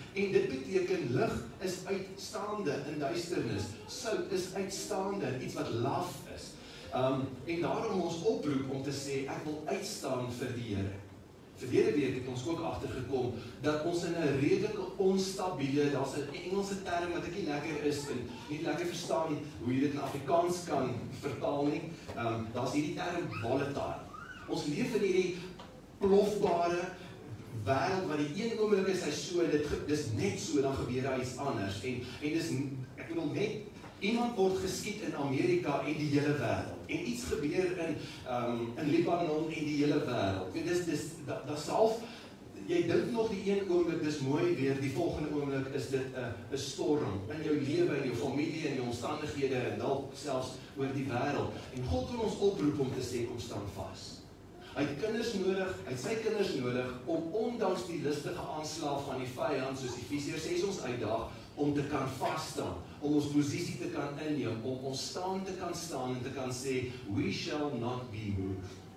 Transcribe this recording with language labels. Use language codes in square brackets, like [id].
[af] En dit beteken lig is uitstaande in duisternis. Sout is uitstaande, iets wat laf is. En daarom ons oproep om te sê ek wil uitstaan vir die Here. Verlede week het ons ook agtergekom dat ons in 'n redelike onstabiele, daar's 'n Engelse term wat ek nie lekker is en nie lekker verstaan hoe jy dit in Afrikaans kan vertaal nie. Daar's hierdie term volatile. Ons leef in hierdie plofbare wêreld wat die een oomblik is hy so, dis net so dan gebeur hy iets anders en dis ek bedoel net iemand word geskiet in Amerika en die hele wêreld. En iets gebeur in Libanon en die hele wêreld. En dis self, jy dink nog die een oomblik dis mooi weer, die volgende oomblik is dit 'n storm in jou lewe en jou familie en jou omstandighede en dalk selfs oor die wêreld. En God wil ons oproep om te sê kom staan vas. Hy het kinders nodig, hy het sy kinders nodig om ondanks die listige aanslae van die vyand soos Efesiërs 6 ons uitdaag om te kan vasstaan, om ons posisie te kan inneem, om ons staan te kan staan en te kan sê, [en] we shall not be moved.